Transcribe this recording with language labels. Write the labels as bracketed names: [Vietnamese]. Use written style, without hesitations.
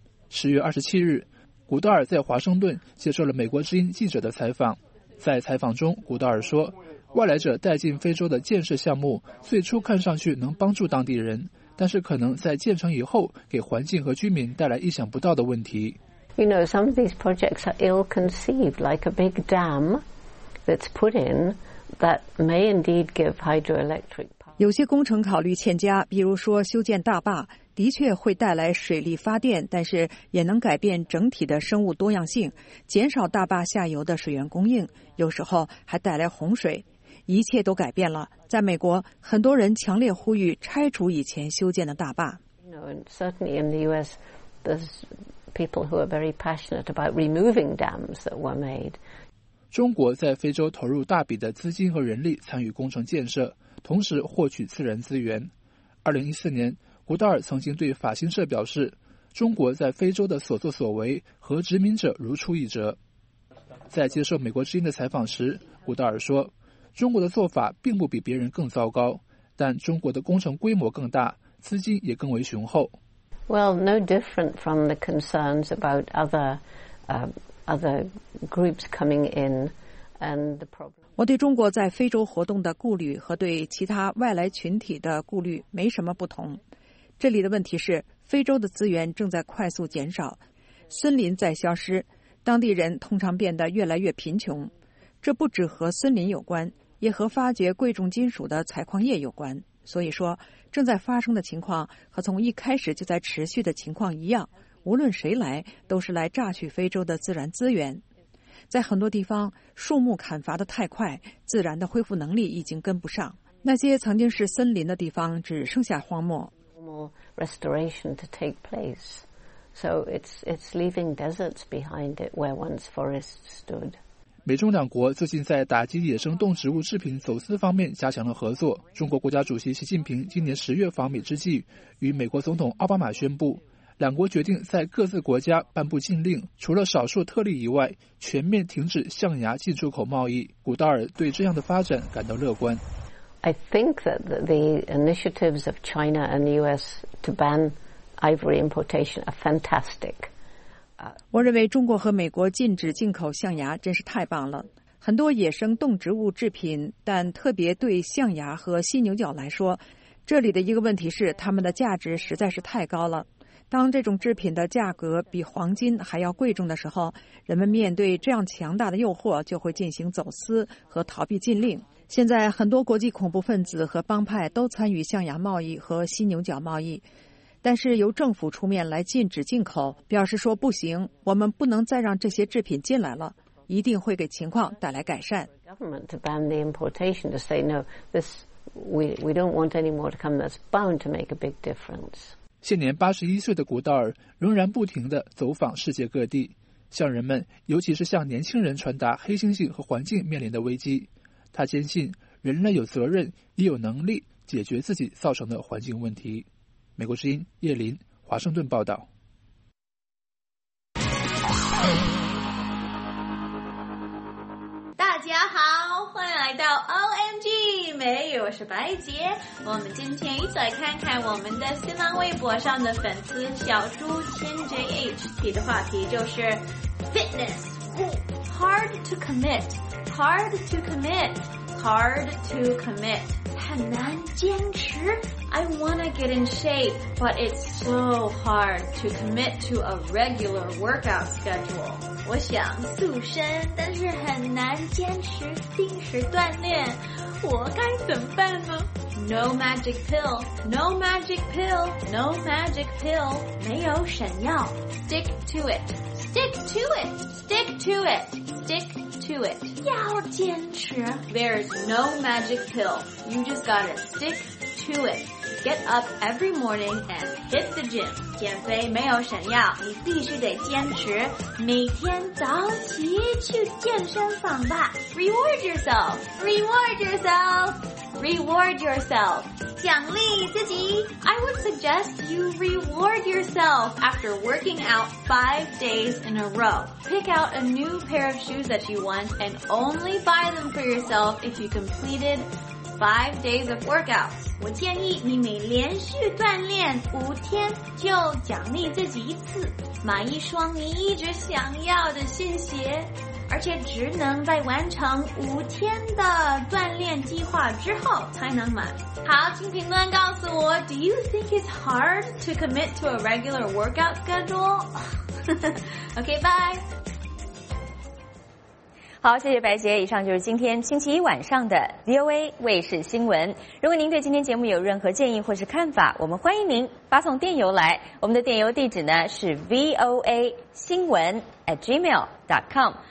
[Chinese] 10月27日，古道尔在华盛顿接受了美国之音记者的采访。在采访中，古道尔说，外来者带进非洲的建设项目最初看上去能帮助当地人，但是可能在建成以后给环境和居民带来意想不到的问题。 [English] You know, some of these projects are ill-conceived, like a big dam that's put in that may indeed give hydroelectric power. [Chinese] 有些工程考虑欠佳，比如说修建大坝，的确会带来水力发电，但是也能改变整体的生物多样性，减少大坝下游的水源供应，有时候还带来洪水。一切都改变了。在美国，很多人强烈呼吁拆除以前修建的大坝。 [English] Certainly in the U.S., there's people who are very passionate about removing dams that were made. [Chinese] 中国在非洲投入大笔的资金和人力参与工程建设，同时获取自然资源。 2014年，古道尔曾经对法新社表示，中国在非洲的所作所为和殖民者如出一辙。在接受美国之音的采访时，古道尔说，中国的做法并不比别人更糟糕，但中国的工程规模更大，资金也更为雄厚。 [English] Well, no different from the concerns about other groups coming in and the problem. [Chinese] 我对中国在非洲活动的顾虑和对其他外来群体的顾虑没什么不同。这里的问题是，非洲的资源正在快速减少，森林在消失，当地人通常变得越来越贫穷。这不只和森林有关，也和发掘贵重金属的采矿业有关。所以说，正在发生的情况和从一开始就在持续的情况一样，无论谁来，都是来榨取非洲的自然资源。在很多地方，树木砍伐得太快，自然的恢复能力已经跟不上。那些曾经是森林的地方只剩下荒漠。 [English] Restoration to take place. So it's leaving deserts behind it where once forests stood. [Chinese] 美中两国最近在打击野生动植物制品走私方面加强了合作。中国国家主席习近平今年10月访美之际，与美国总统奥巴马宣布，两国决定在各自国家颁布禁令，除了少数特例以外，全面停止象牙进出口贸易。古道尔对这样的发展感到乐观。 [English] I think that the initiatives of China and the U.S. to ban ivory importation are fantastic. [Chinese] 我认为中国和美国禁止进口象牙真是太棒了。很多野生动植物制品，但特别对象牙和犀牛角来说，这里的一个问题是它们的价值实在是太高了。当这种制品的价格比黄金还要贵重的时候，人们面对这样强大的诱惑，就会进行走私和逃避禁令。现在很多国际恐怖分子和帮派都参与象牙贸易和犀牛角贸易，但是由政府出面来禁止进口，表示说不行，我们不能再让这些制品进来了，一定会给情况带来改善。 [English] Government to ban the importation to say no, this we don't want any more to come. That's bound to make a big difference. [Chinese] 现年81岁的古道尔仍然不停地走访世界各地，向人们，尤其是向年轻人传达黑猩猩和环境面临的危机。他坚信人类有责任也有能力解决自己造成的环境问题。美国之音叶林华盛顿报道。大家好，欢迎来到 OMG 美语，我是白杰。我们今天一起来看看我们的新浪微博上的粉丝小猪 10JH 提的话题，就是 [English] Fitness Hard to commitHard to commit, hard to commit. [Chinese] 很难坚持。 [English] I want to get in shape, but it's so hard to commit to a regular workout schedule. [Chinese] 我想塑身，但是很难坚持定时锻炼。我该怎么办呢？ [English] No magic pill, no magic pill, no magic pill. [Chinese] 没有神药。 [English] Stick to it, stick to it, stick to it, stick to it. [Chinese] 要坚持。 [English] There's no magic pill. You just gotta stick to it. Get up every morning and hit the gym. [Chinese] 减肥没有神药，你必须得坚持。每天早起去健身房吧。 [English] Reward yourself, reward yourself. Reward yourself. [Chinese] 奖励自己。 [English] I would suggest you reward yourself after working out 5 days in a row. Pick out a new pair of shoes that you want and only buy them for yourself if you completed 5 days of workouts. [Chinese] 我建议你每连续锻炼5天就奖励自己一次。买一双你一直想要的新鞋。而且只能在完成5天的锻炼计划之后才能买。好，请评论告诉我 [English] ,Do you think it's hard to commit to a regular workout schedule? OK, bye. [Chinese] 好，谢谢白洁。以上就是今天星期一晚上的 VOA 卫视新闻。如果您对今天节目有任何建议或是看法，我们欢迎您发送电邮来。我们的电邮地址呢是 voa@gmail.com。